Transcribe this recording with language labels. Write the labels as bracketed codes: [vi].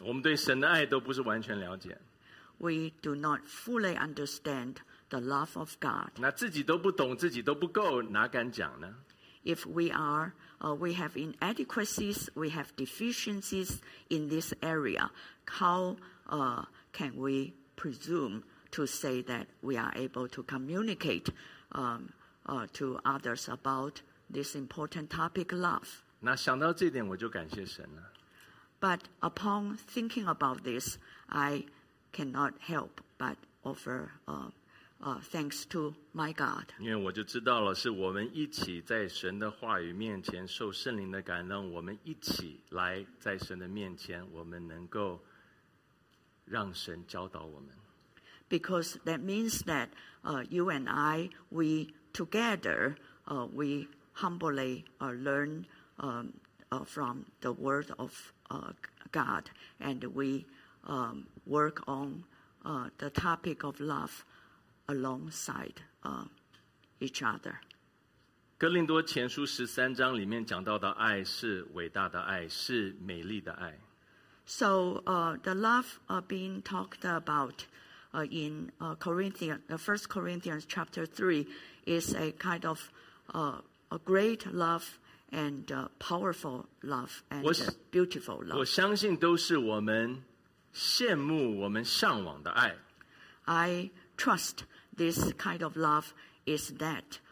[zh] 我们对神的爱都不是完全了解。 [en] We do not fully understand the love of God. [zh] 那自己都不懂，自己都不够，哪敢讲呢？ [en] If we are... we have inadequacies, we have deficiencies in this area. How can we presume to say that we are able to communicate to others about this important topic, love? [zh] 那想到这点我就感谢神了。 [en] But upon thinking about this, I cannot help but offer thanks to my God. [zh] 因为我就知道了，是我们一起在神的话语面前受圣灵的感动，我们一起来在神的面前，我们能够让神教导我们。 [en] Because that means that you and I, we together, we humbly learn from the word of God, and we work on the topic of love. Alongside each other. [zh] 哥林多前书十三章里面讲到的爱是伟大的爱，是美丽的爱。 [en] So the love being talked about in First Corinthians chapter 3 is a kind of a great love and a powerful love and beautiful love. [zh] 我相信都是我们羡慕、我们向往的爱。 [en] I trust. This kind of love is that